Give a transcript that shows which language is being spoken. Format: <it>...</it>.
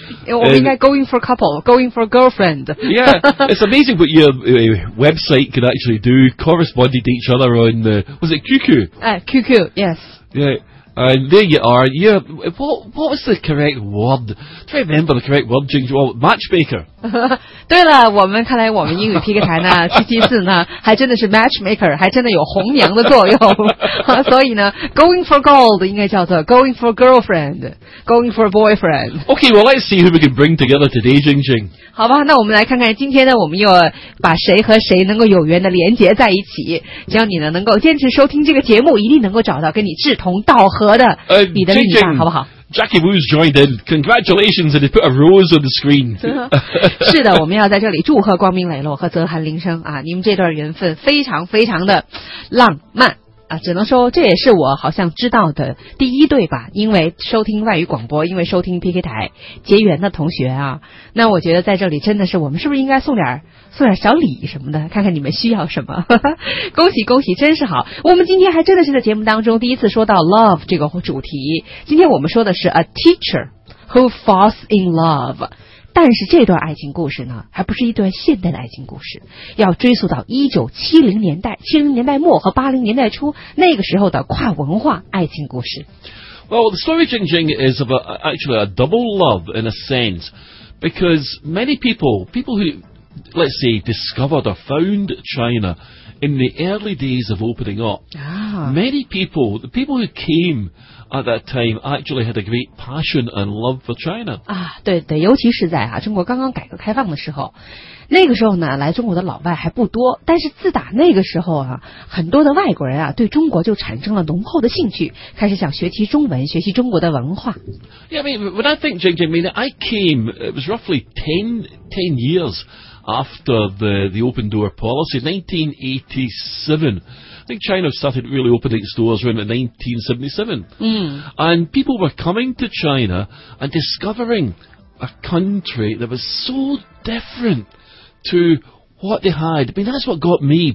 <en>We're going for a couple, going for a girlfriend. Yeah, it's amazing what your website could actually do, corresponding to each other on, was it QQ? QQ, yes. Yeah. And there you are. Yeah, what was the correct word? Do you remember the correct word, Jing Jing? Matchmaker.</en> <zh>对了，我们看来我们英语 PK 台呢，774呢，还真的是 matchmaker, 还真的有红娘的作用。所以呢</zh> <en>,going for gold</en> <zh>应该叫做</zh> <en>going for girlfriend, going for boyfriend. Okay, well, let's see who we can bring together today, Jing Jing.</en> <zh>好吧，那我们来看看今天呢，我们又把谁和谁能够有缘的连结在一起。只要你呢能够坚持收听这个节目，一定能够找到跟你志同道合的你的另一半，好不好？</zh> <en>Jackie Wu's joined in. Congratulations, and they put a rose on the screen.</en> <zh>是的，我们要在这里祝贺光明磊落和泽涵铃声啊！你们这段缘分非常非常的浪漫啊！只能说这也是我好像知道的第一对吧？因为收听外语广播，因为收听 PK 台结缘的同学啊！那我觉得在这里真的是，我们是不是应该送点小礼什么的，看看你们需要什么。恭喜恭喜，真是好。我们今天还真的是在节目当中第一次说到 love 这个主题。今天我们说的是</zh> <en>a teacher who falls in love。</en> <zh>但是这段爱情故事呢，还不是一段现代的爱情故事，要追溯到1970年代末和80年代初那个时候的跨文化爱情故事。</zh> <en>Well, the story, Jing Jing, is of actually a double love in a sense, because many people who... Let's say, discovered or found China in the early days of opening up. Many people, the people who came at that time actually had a great passion and love for China.</en> <zh>啊，对对，尤其是在啊中国刚刚改革开放的时候，那个时候呢来中国的老外还不多，但是自打那个时候啊，很多的外国人啊对中国就产生了浓厚的兴趣，开始想学习中文，学习中国的文化。</zh> <en>Yeah, I mean, when I think, Jing Jing, I mean, I came, it was roughly 10 years. After the open door policy, 1987. I think China started really opening its doors around 1977. Mm. And people were coming to China and discovering a country that was so different to what they had. I mean, that's what got me.</en>